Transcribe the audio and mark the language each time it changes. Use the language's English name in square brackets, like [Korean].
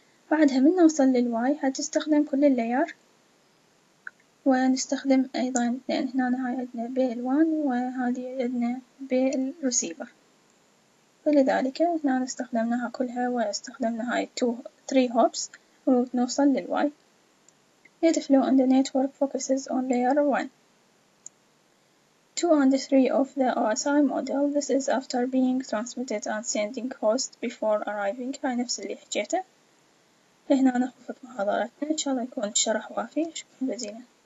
[Arabic] بعدها من نوصل للواي هتستخدم كل اللاير ونستخدم أيضا لأن هنا هاي عندنا بال 1 وهذه عندنا بال receiver. فلذلك هنا استخدمناها كلها واستخدمنا هاي [English] 2-3 hops [Arabic] ونوصل للواي. [English] Data flow on the network focuses on layer 1. 2 and 3 of the OSI model. This is after being transmitted and sending host before arriving. [Arabic] هاي نفس اللي حجيته. هنا خفت محاضرتنا إن شاء الله يكون الشرح وافي. شكرا جزيلا.